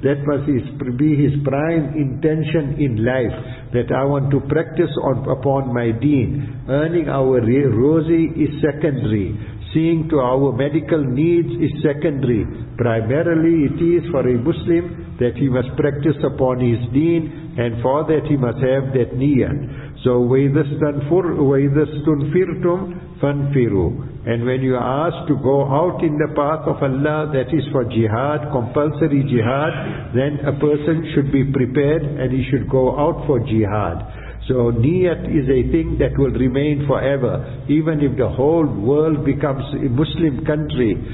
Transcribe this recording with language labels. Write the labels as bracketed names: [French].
[English] That must be his prime intention in life, that I want to practice upon my deen. Earning our rozi is secondary. Seeing to our medical needs is secondary. Primarily it is for a Muslim that he must practice upon his deen, and for that he must have that niyat. [Arabic] So, وَإِذَسْتُنْفِرْتُمْ فَانْفِرُوا. [English] And when you ask to go out in the path of Allah, that is for jihad, compulsory jihad, then a person should be prepared and he should go out for jihad. So niyat is a thing that will remain forever, even if the whole world becomes a Muslim country.